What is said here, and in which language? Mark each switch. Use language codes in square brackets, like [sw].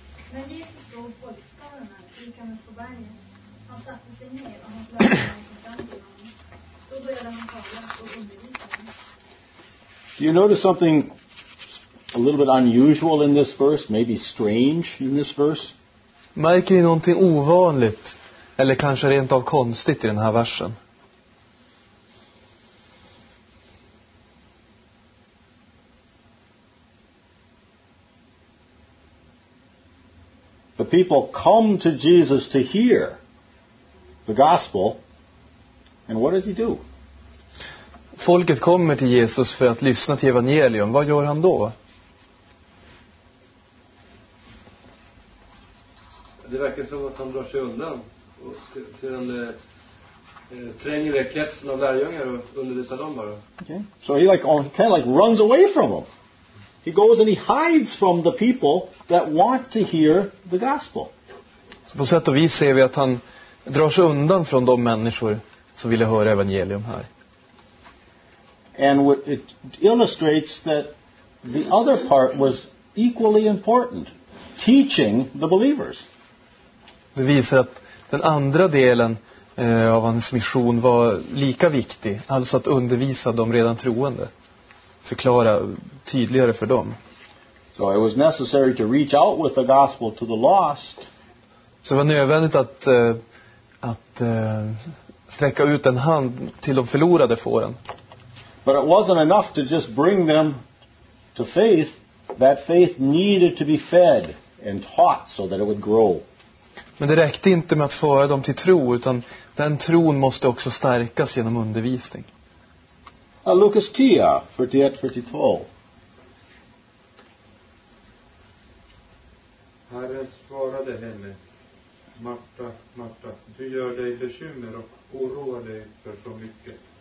[sv] Men Jesus såg folkskarorna likande på bergen. Han satte sig ner och hans lärjungar kom fram till honom. Då började han tala och undervisa dem. [en] Do you notice something a little bit unusual in this verse? Maybe strange in this verse? [sv] Märker ni någonting ovanligt eller kanske rent av konstigt i den här versen? [en] The people come to Jesus to hear the gospel, and what does he do? [sv] Folket kommer till Jesus för att lyssna till evangelium. Vad gör han då? Det verkar som att han drar sig undan och sedan tränger det kretsen av lärjungar och undervisar dem bara. [en] Okay. So he like kind of like runs away from them. He goes and he hides from the people that want to hear the gospel. [sv] Så på sätt och vis ser vi att han drar sig undan från de människor som ville höra evangelium här. [en] And it illustrates that the other part was equally important, teaching the believers. [sv] Det visar att den andra delen av hans mission var lika viktig, alltså att undervisa de redan troende. Förklara tydligare för dem. [en] So it was necessary to reach out with the gospel to the lost. [sv] Så det var nödvändigt att sträcka ut en hand till de förlorade fåren. [en] But it wasn't enough to just bring them to faith. That faith needed to be fed and taught so that it would grow. [sv] Men det räckte inte med att föra dem till tro, utan den tron måste också stärkas genom undervisning. Lukas 10, 41-42. Herren svarade henne: Marta, Marta, du gör dig bekymmer och oroar dig för så mycket.